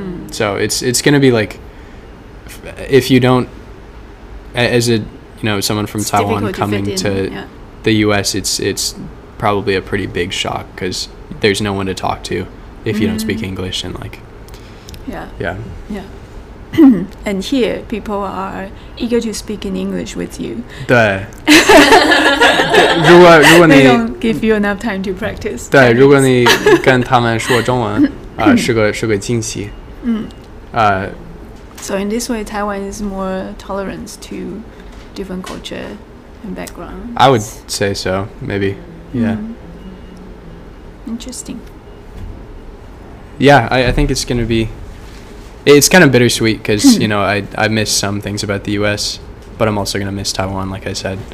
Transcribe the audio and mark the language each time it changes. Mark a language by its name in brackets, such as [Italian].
[English] So it's going to be like, if you don't, as a, you know, someone from Taiwan coming to the U.S., it's probably a pretty big shock because there's no one to talk to if you don't speak English and like, yeah. And here people are eager to speak in English with you. [Chinese] 对。如果你 [English] They don't give you enough time to practice. [Chinese] 对，如果你跟他们说中文，是个惊喜。 [English] So in this way, Taiwan is more tolerant to different culture and background. I would say so, maybe. Yeah. Interesting. yeah, I think it's going to be, it's kind of bittersweet because, you know, I miss some things about the U.S., but I'm also going to miss Taiwan, like I said.